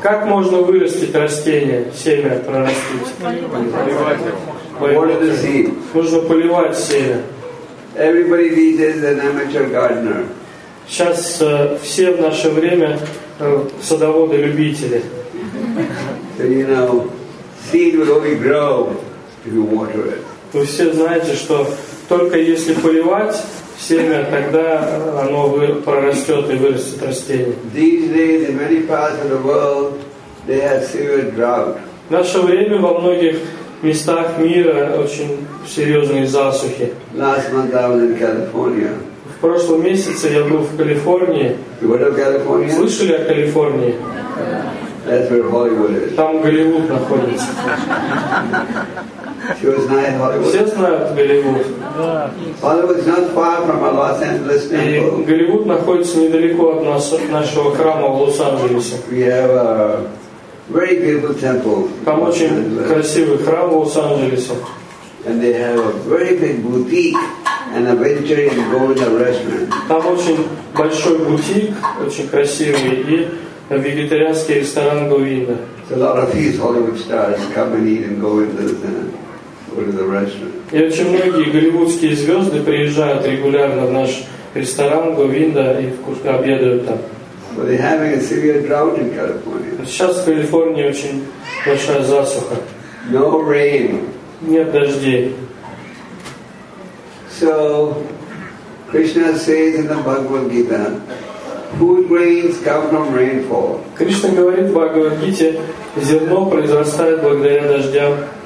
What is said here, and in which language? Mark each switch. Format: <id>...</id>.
<ru>Как можно вырастить растение, семя прорастить?</ru> <en>What is the seed?</en> <ru>Нужно поливать семя.</ru> <en>Everybody these days is an amateur gardener.</en> <ru>Сейчас все в наше время садоводы-любители.</ru> <en>So you know, seed will only grow if you water it.</en> <ru>Вы все знаете, что только если поливать семя, тогда оно прорастет и вырастет растение.</ru> <en>These days in many parts of the world they have severe drought.</en> <ru>В наше время во многих местах мира очень серьезные засухи.</ru> <en>Last month I was in California.</en> <ru>В прошлом месяце я был в Калифорнии. Слышали о Калифорнии?</ru> <en>That's where Hollywood is.</en> <ru>Там Голливуд находится.</ru> <en>She was not in Hollywood.</en> <ru>Все знают Голливуд.</ru> <en>Hollywood is not far from our Los Angeles temple.</en> <ru>И Голливуд находится недалеко от нас, от нашего храма в Лос-Анджелесе.</ru> <en>We have a very beautiful temple.</en> <ru>Там очень красивый храм в Лос-Анджелесе.</ru> <en>And they have a very big boutique. And a vegetarian Govinda restaurant.</en> <ru>Там очень большой бутик, очень красивый, и вегетарианский ресторан Говинда.</ru> <en>So a lot of these Hollywood stars come and eat and go into the restaurant.</en> <ru>И очень многие голливудские звезды приезжают регулярно в наш ресторан Говинда и вкусно обедают там.</ru> <en>But they're having a severe drought in California.</en> <ru>Сейчас в Калифорнии очень большая засуха.</ru> <en>No rain.</en> <ru>Нет дождей.</ru> <en>So Krishna says in the Bhagavad Gita, food grains come from rainfall.</en> <ru>Кришна говорит в Бхагавад-гите, зерно произрастает благодаря дождям.</ru>